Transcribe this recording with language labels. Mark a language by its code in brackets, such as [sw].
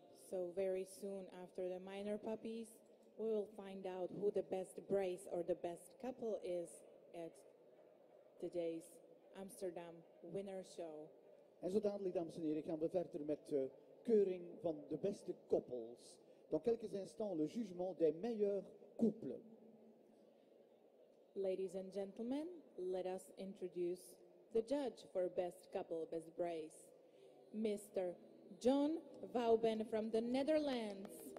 [en] So very soon after the minor puppies, we will find out who the best brace or the best couple is at today's Amsterdam winner show. [nl] En zo dadelijk, dames en heren, gaan we verder met de keuring van de beste koppels. [fr] Dans quelques instants, le jugement des meilleurs couples. [en] Ladies and gentlemen, let us introduce the judge for best couple, best brace, Mr. John Vauben from the Netherlands.